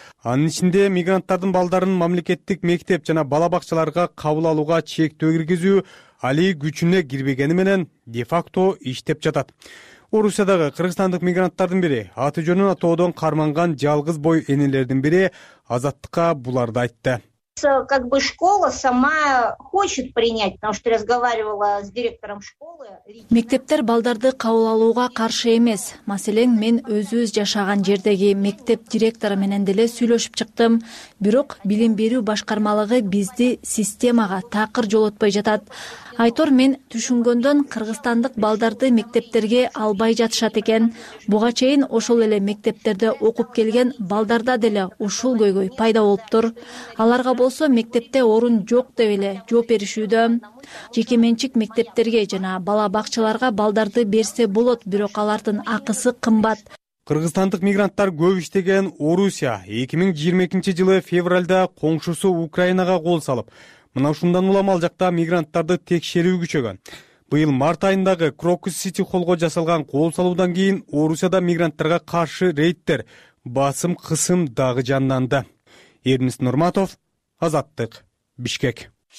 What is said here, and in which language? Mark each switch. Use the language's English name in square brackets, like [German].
[Kyrgyz] Анын ичинде мигранттардын балдарын мамлекеттик мектеп жана бала бакчаларга кабыл алууга чектөө киргизүү али күчүнө кирбегени менен де-факто иштеп жатат. Орусиядагы кыргызстандык мигранттардын бири, аты жөнүн атоодон карманган жалгыз бой энелердин бири азаттыкка буларды айтты. [Russian] как бы школа сама хочет принять, потому что разговаривала с директором школы. [Kyrgyz] Мектептер балдарды кабыл алууга каршы эмес. Маселен, мен өзүз жашаган жердеги мектеп директору менен деле сүйлөшүп чыктым. Бирок билим берүү башкармалыгы бизди системага такыр жолотпой жатат. Айтор, мен түшүнгөндөн кыргызстандык балдарды мектептерге албай жатышат экен. Буга чейин ошол эле мектептерде окуп келген балдарда деле ушул көйгөй пайда болуптур. Аларга болсо мектепте орун жок деп эле жооп беришүүдө. Жекеменчик мектептерге жана бала бакчаларга балдарды берсе болот, бирок алардын акысы кымбат. Кыргызстандык мигранттар көп иштеген Орусия 2022 жылы февралда коңшусу Украинага кол салып, мына ушундан улам ал жакта мигранттарды текшерүү күчөгөн. Быйыл март айындагы Крокус Сити холго жасалган кол салуудан кийин Орусияда мигранттарга каршы рейдтер, басым кысым дагы жанданды. Эрнис Нурматов, Азаттык, Бишкек.